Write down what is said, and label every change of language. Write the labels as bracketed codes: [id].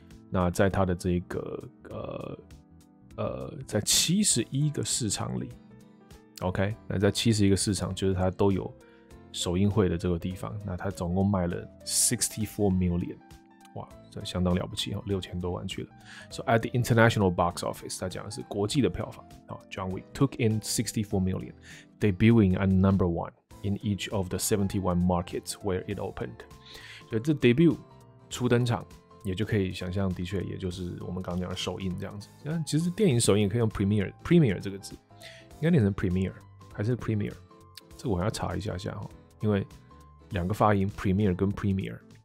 [zh] 那在它的这个在71个市场里 ，OK， 那在71个市场，就是它都有首映会的这个地方，那它总共卖了$64 million， 哇，这相当了不起哦，6000多万去了。 [en] So at the international box office， [zh] 它讲的是国际的票房啊。 [en] John Wick took in $64 million， debuting at number one in each of the 71 markets where it opened。 [zh] 所以这 debut 初登场。也就可以想象，的确，也就是我们刚讲的首映这样子。其实电影首映可以用 premiere 这个字，应该念成 premiere 还是 premiere？这我还要查一下下，因为两个发音 premiere 跟 premiere。